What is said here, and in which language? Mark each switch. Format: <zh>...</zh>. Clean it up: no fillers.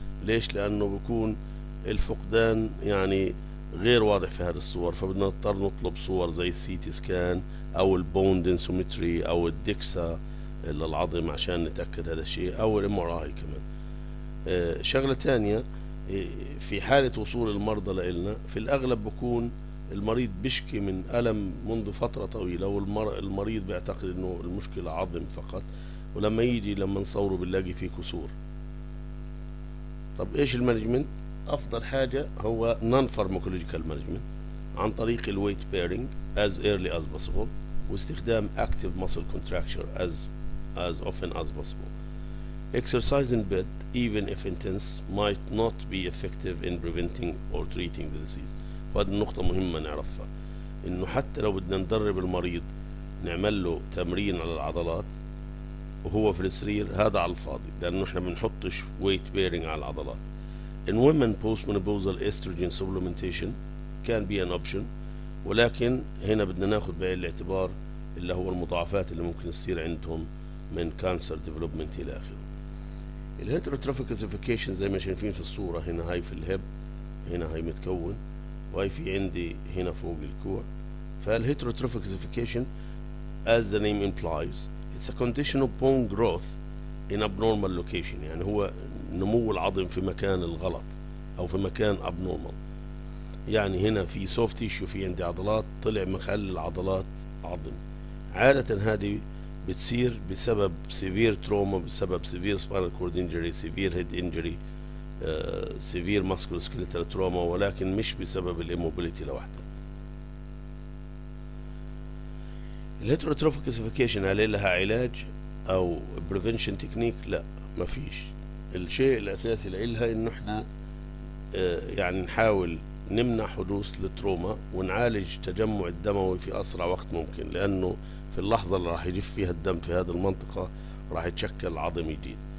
<ar>ليش؟ لأنه بيكون الفقدان يعني غير واضح في هذه الصور, فبدنا نضطر نطلب صور زي السي تي سكان أو البون دنسومتري أو الدكسا للعظم عشان نتأكد هذا الشيء, أو الامراي كمان. شغلة تانية, في حالة وصول المرضى لإلنا في الأغلب بكون المريض بشكي من ألم منذ فترة طويلة, والمريض بيعتقد أنه المشكلة عظم فقط, ولما يجي لما نصوره بنلاقي فيه كسور. طب إيش المانجمنت؟ أفضل حاجة هو non-pharmacological management عن طريق ال</ar> <en>weight bearing as early as possible,</en> <ar>واستخدام</ar> <en>active muscle contracture as often as possible. Exercise in bed, even if intense, might not be effective in preventing or treating the disease.</en> <ar>وهذه النقطة مهمة نعرفها, إنه حتى لو بدنا ندرب المريض نعمل له تمرين على العضلات وهو في السرير, هذا على الفاضي, لأنه إحنا بنحطش weight bearing على العضلات.</ar> <en>In women postmenopausal estrogen supplementation can be an option,</en> <ar>ولكن هنا بدنا ناخذ بعين الاعتبار اللي هو المضاعفات اللي ممكن تصير عندهم من cancer development الى اخره. الهيتروتروفيك كالسيفيكيشن زي ما شايفين في الصوره, هنا هاي في الهب, هنا هاي متكون, وهي في عندي هنا فوق الكوع.</ar> <en>فالهيتروتروفيك calcification as the name implies it's a condition of bone growth in abnormal location,</en> <ar>يعني هو نمو العظم في مكان الغلط او في مكان abnormal. يعني هنا في soft tissue، في عندي عضلات، طلع مخل العضلات عظم. عادة هذه بتصير بسبب severe trauma، بسبب severe spinal cord injury، severe head injury، severe musculoskeletal trauma، ولكن مش بسبب الimmobility لوحدها. الهيتروتروفيك كلاسيفيكيشن هل لها علاج او بريفنشن تكنيك؟ لا، ما فيش. الشيء الاساسي لها انه احنا يعني نحاول نمنع حدوث التروما ونعالج تجمع الدموي في اسرع وقت ممكن، لانه في اللحظه اللي راح يجف فيها الدم في هذه المنطقه راح يتشكل عظم جديد.</ar>